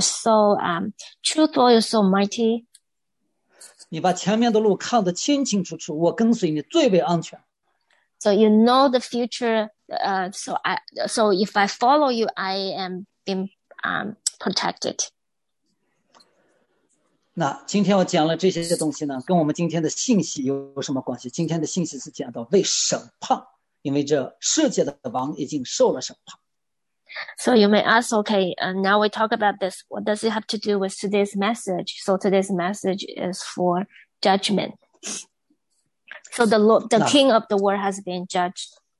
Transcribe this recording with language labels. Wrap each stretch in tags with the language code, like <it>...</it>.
<en>so truthful, you're so mighty.</en> <zh>你把前面的路看得清清楚楚, 我跟随你最为安全。</zh> <en>So you know the future, so if I follow you, I am being protected.</en> <zh>那今天我讲了这些东西呢, 跟我们今天的信息有什么关系? 今天的信息是讲到为审判, 因为这世界的王已经受了审判。</zh> <en>So you may ask, okay, and now we talk about this. What does it have to do with today's message? So today's message is for judgment. So the Lord, the King of the world has been judged.</en>